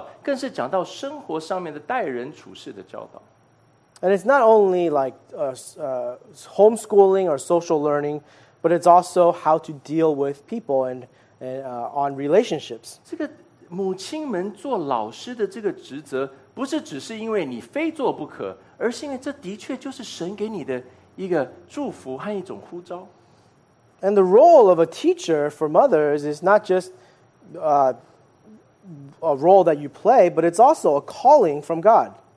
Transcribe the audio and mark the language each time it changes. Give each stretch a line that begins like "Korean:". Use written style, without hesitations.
Chinese: 这不用讲到我们一开始提到的这个问卷调查在家里面的这种学业上面的教导，更是讲到生活上面的待人处事的教导。
English: And it's not only like homeschooling or social learning, but it's also how to deal with people and on relationships.
Chinese: 这个母亲们做老师的这个职责 不是只是因为你非做不可，而是因为这的确就是神给你的一个祝福和一种呼召。
English: And the role of a teacher for mothers is not just a role that you play, but it's also a calling from God.